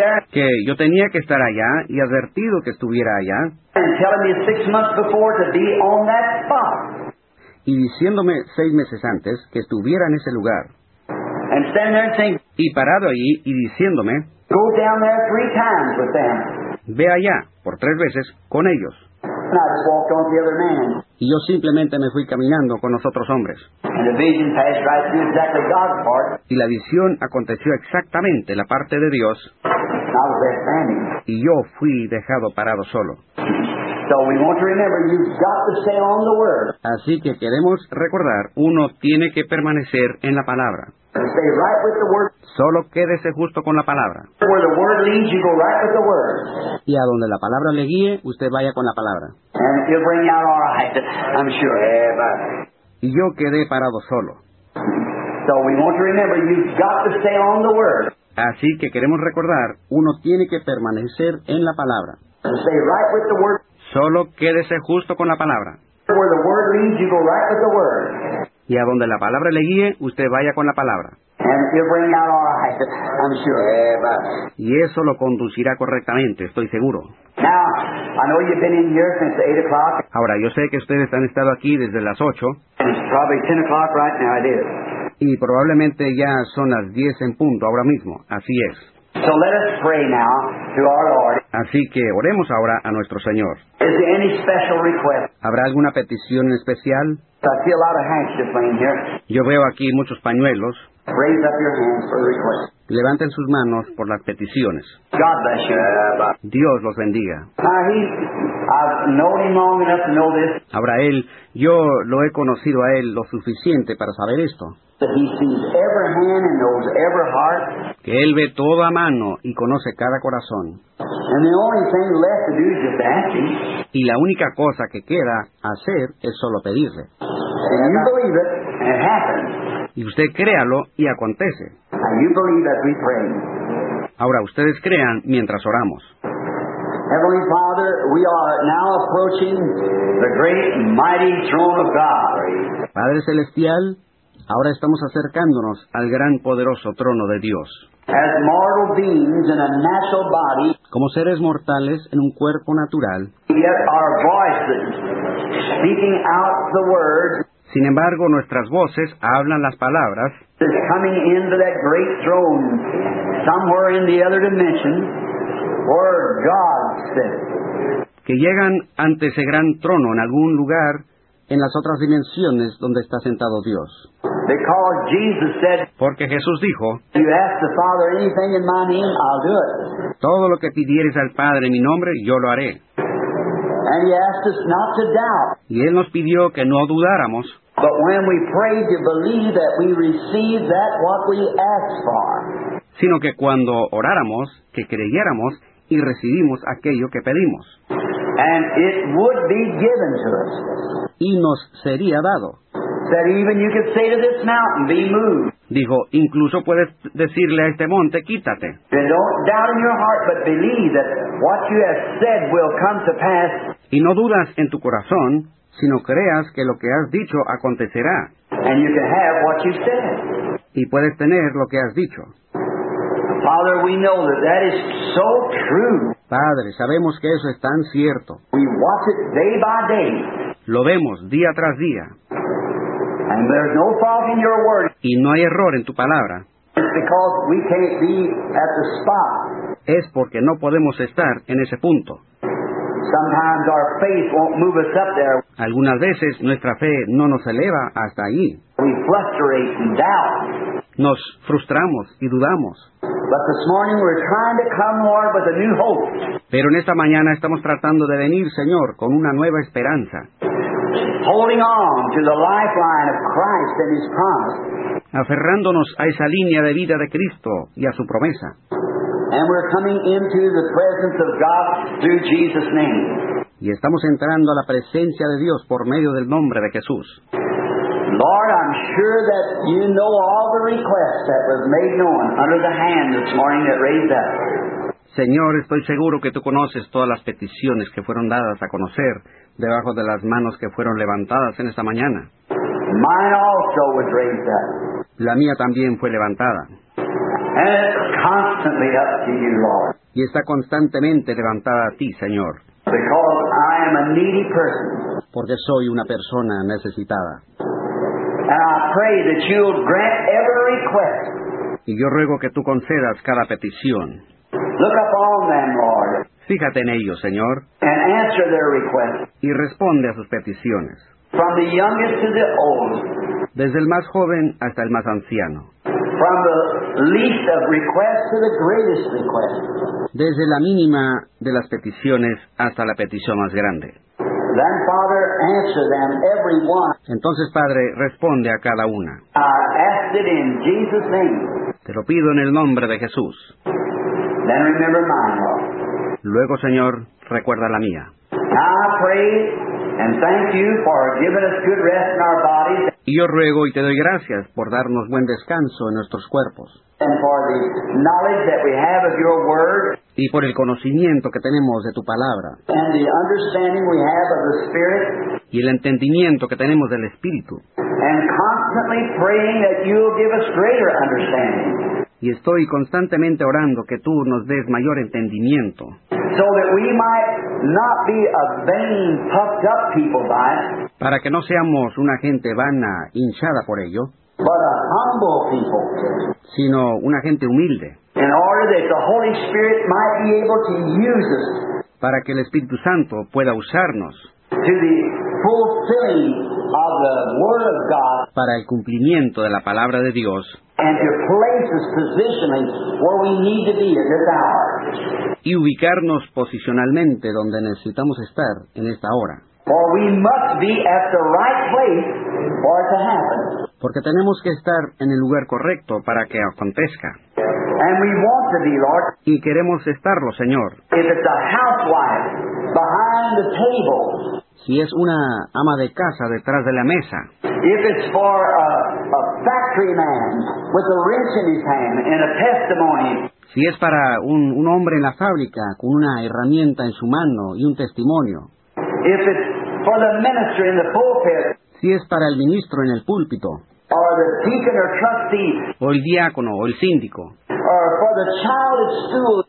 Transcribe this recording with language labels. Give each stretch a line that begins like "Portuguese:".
Spanish: Que yo tenía que estar allá y advertido que estuviera allá.
English: And telling me 6 months before to be on that spot.
Spanish: Y diciéndome 6 meses antes que estuviera en ese lugar.
English: And standing there and saying,
Spanish: y parado allí y diciéndome,
English: go down there 3 times with them.
Spanish: Ve allá por 3 veces con ellos.
English: And I just walked on the other man.
Spanish: Y yo simplemente me fui caminando con los otros hombres.
English: And the vision passed right through exactly God's part.
Spanish: Y la visión aconteció exactamente la parte de Dios.
English: And I was there standing.
Spanish: Y yo fui dejado parado solo.
English: So we want to remember, you've got to stay on the word.
Spanish: Así que queremos recordar, uno tiene que permanecer en la palabra.
English: Stay right with the word.
Spanish: Solo quédese justo con la palabra.
English: Where the word leads, you go right with the word.
Spanish: Y a donde la palabra le guíe, usted vaya con la palabra.
English: And he'll bring you out all right, I'm sure.
Spanish: Y yo quedé parado solo.
English: So we want to remember, you've got to stay on the word.
Spanish: Así que queremos recordar, uno tiene que permanecer en la palabra.
English: Stay right with the word.
Spanish: Solo quédese justo con la palabra.
English: Where the word leads, you go right with the word.
Spanish: Y a donde la palabra le guíe, usted vaya con la palabra.
English: And he'll bring out all right, I'm sure.
Spanish: Y eso lo conducirá correctamente, estoy seguro.
English: Now, I know you've been in here since 8 o'clock.
Spanish: Ahora, yo sé que ustedes han estado aquí desde las 8.
English: And it's probably 10 o'clock right now, it is.
Spanish: Y probablemente ya son las 10 en punto ahora mismo, así es.
English: So let us pray now to our Lord.
Spanish: Así que oremos ahora a nuestro Señor.
English: Is there any special request?
Spanish: ¿Habrá alguna petición especial?
English: I see a lot of handkerchiefs laying here.
Spanish: Yo veo aquí muchos pañuelos.
English: Raise up your hands for the request.
Spanish: Levanten sus manos por las peticiones.
English: God bless you.
Spanish: Dios los bendiga.
English: I've known him long enough to know this.
Spanish: Ahora él, yo lo he conocido a él lo suficiente para saber esto.
English: That he sees every hand and knows every heart.
Spanish: Que él ve toda mano y conoce cada corazón.
English: And the only thing left to do is just ask him.
Spanish: Y la única cosa que queda hacer es solo pedirle.
English: And you believe it, and it happens.
Spanish: Y usted créalo y acontece.
English: And you believe as we pray.
Spanish: Ahora ustedes crean mientras oramos.
English: Heavenly Father, we are now approaching the great mighty throne of God.
Spanish: Padre Celestial, ahora estamos acercándonos al gran poderoso trono de Dios.
English: As mortal beings in a natural body,
Spanish: como seres mortales en un cuerpo natural,
English: yet our voices speaking out the word,
Spanish: sin embargo nuestras voces hablan las palabras,
English: is coming into that great throne somewhere in the other dimension. Where God sits.
Spanish: Que llegan ante ese gran trono en algún lugar en las otras dimensiones donde está sentado Dios.
English: Because Jesus said,
Spanish: porque Jesús dijo,
English: you ask the Father anything in my name, I'll do it.
Spanish: Todo lo que pidieres al Padre en mi nombre, yo lo haré.
English: And he asked us not to doubt.
Spanish: Y él nos pidió que no dudáramos.
English: But when we pray, you believe that we receive that what we ask for.
Spanish: Sino que cuando oráramos, que creyéramos y recibimos aquello que pedimos.
English: And it would be given to us.
Spanish: Y nos sería dado.
English: That even you could say to this mountain, be moved.
Spanish: Dijo, incluso puedes decirle a este monte, quítate.
English: And don't doubt in your heart, but believe that what you have said will come to pass.
Spanish: Y no dudas en tu corazón, sino creas que lo que has dicho acontecerá.
English: And you can have what you said.
Spanish: Y puedes tener lo que has dicho.
English: Father, we know that that is so true.
Spanish: Padre, sabemos que eso es tan cierto.
English: We watch it day by day.
Spanish: Lo vemos día tras día.
English: And there's no fault in your word.
Spanish: Y no hay error en tu palabra.
English: It's because we can't be at the spot.
Spanish: Es porque no podemos estar en ese punto.
English: Sometimes our faith won't move us up there.
Spanish: Algunas veces nuestra fe no nos eleva hasta allí.
English: We frustrate and doubt.
Spanish: Nos frustramos y dudamos.
English: But this morning we're trying to come, Lord, with a new hope.
Spanish: Pero en esta mañana estamos tratando de venir, Señor, con una nueva esperanza.
English: Holding on to the lifeline of Christ and His promise.
Spanish: Aferrándonos a esa línea de vida de Cristo y a su promesa.
English: And we're coming into the presence of God through Jesus' name.
Spanish: Y estamos entrando a la presencia de Dios por medio del nombre de Jesús.
English: Lord, I'm sure that you know all the requests that was made known under the hand this morning that raised up.
Spanish: Señor, estoy seguro que tú conoces todas las peticiones que fueron dadas a conocer debajo de las manos que fueron levantadas en esta mañana.
English: Mine also was raised up.
Spanish: La mía también fue levantada.
English: And it's constantly up to you, Lord.
Spanish: Y está constantemente levantada a ti, Señor.
English: Because I am a needy person.
Spanish: Porque soy una persona necesitada.
English: And I pray that you'll grant every request.
Spanish: Y yo ruego que tú concedas cada petición.
English: Look upon them, Lord.
Spanish: Fíjate en ellos, Señor.
English: And answer their requests.
Spanish: Y responde a sus peticiones.
English: From the youngest to the oldest.
Spanish: Desde el más joven hasta el más anciano.
English: From the least of requests to the greatest request.
Spanish: Desde la mínima de las peticiones hasta la petición más grande.
English: Then, Father, answer them, every one.
Spanish: Entonces, Padre, responde a cada una.
English: I ask it in Jesus' name.
Spanish: Te lo pido en el nombre de Jesús.
English: Then remember mine, Lord.
Spanish: Luego, Señor, recuerda la mía.
English: I pray and thank you for giving us good rest in our bodies.
Spanish: Y yo ruego y te doy gracias por darnos buen descanso en nuestros cuerpos.
English: And for the knowledge that we have of your word.
Spanish: Y por el conocimiento que tenemos de tu palabra.
English: And the understanding we have of the Spirit.
Spanish: Y el entendimiento que tenemos del Espíritu.
English: And constantly praying that you'll give us greater understanding.
Spanish: Y estoy constantemente orando que tú nos des mayor entendimiento.
English: So that we might not be a vain, puffed up people by it.
Spanish: Para que no seamos una gente vana, hinchada por ello.
English: But a humble people.
Spanish: Sino una gente humilde.
English: In order that the Holy Spirit might be able to use us.
Spanish: Para que el Espíritu Santo pueda usarnos.
English: To the fulfilling of the Word of God.
Spanish: Para el cumplimiento de la palabra de Dios.
English: And to place us positionally where we need to be at this hour.
Spanish: Y ubicarnos posicionalmente donde necesitamos estar en esta hora.
English: For we must be at the right place for it to happen.
Spanish: Porque tenemos que estar en el lugar correcto para que acontezca.
English: And we want to be, Lord.
Spanish: Y queremos estarlo, Señor.
English: If it's a housewife behind the table.
Spanish: Si es una ama de casa detrás de la mesa.
English: If it's for a factory man with a wrench in his hand and a testimony.
Spanish: Si es para un hombre en la fábrica con una herramienta en su mano y un testimonio.
English: If it's for the minister in the pulpit.
Spanish: Si es para el ministro en el púlpito.
English: Or the deacon or trustee.
Spanish: O el diácono o el síndico.
English: Or for the child at school.